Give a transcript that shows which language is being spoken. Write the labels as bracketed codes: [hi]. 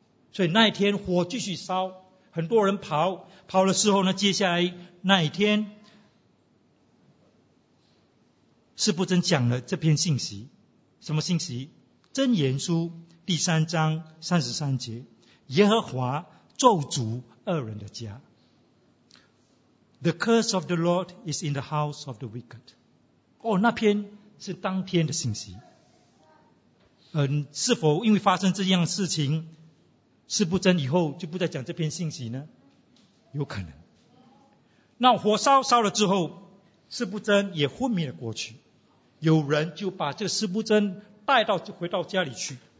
[zh] 所以那一天火继续烧，很多人跑。跑的时候呢，接下来那一天，司布真讲了这篇信息。什么信息？箴言书第3章33节，耶和华咒诅恶人的家。 [en] The curse of the Lord is in the house of the wicked。 [zh] 哦，那篇是当天的信息。是否因为发生这样事情，司布真以后就不再讲这篇信息呢？有可能。那火烧烧了之后，司布真也昏迷了过去。有人就把这个司布真带到就回到家里去。